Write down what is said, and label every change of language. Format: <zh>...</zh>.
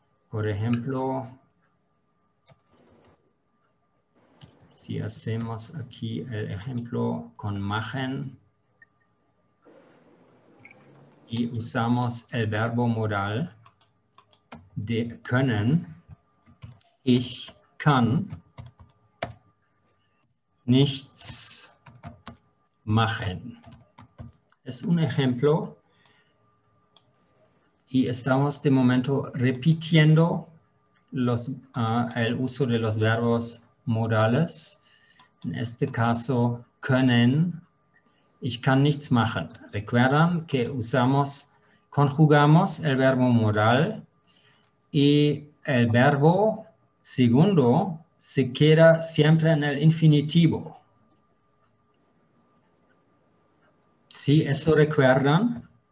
<es>Por ejemplo, si hacemos aquí el ejemplo con machen y usamos el verbo modal de können, ich kann nichts machen. Es un ejemplo y estamos de momento repitiendo el uso de los verbos modales.</es> <de>En este caso, können, ich kann nichts machen.</de> <es>Recuerdan que conjugamos el verbo modal y el verbo segundo se queda siempre en el infinitivo. ¿Sí? ¿Eso recuerdan?</es>